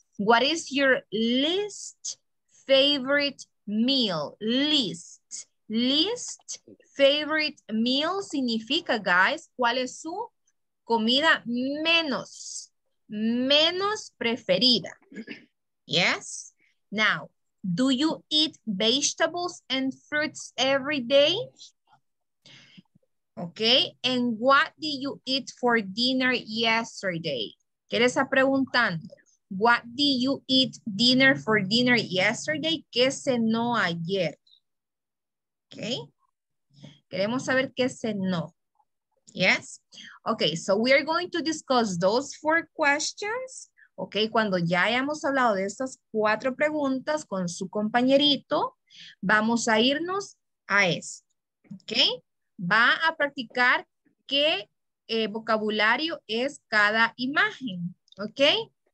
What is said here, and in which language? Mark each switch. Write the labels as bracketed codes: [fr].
[en] What is your least favorite meal? Least favorite meal [es] significa, guys, ¿cuál es su comida menos preferida? [en] Yes. Now, do you eat vegetables and fruits every day? Okay. And what did you eat for dinner yesterday? [es] ¿Qué le está preguntando? [en] What did you eat for dinner yesterday? [es] ¿Qué cenó ayer? ¿Ok? Queremos saber qué cenó. Yes? [en] Ok, so we are going to discuss those 4 questions. [es] Ok, cuando ya hayamos hablado de estas 4 preguntas con su compañerito, vamos a irnos a esto. Ok? Va a practicar qué vocabulario es cada imagen, ¿ok?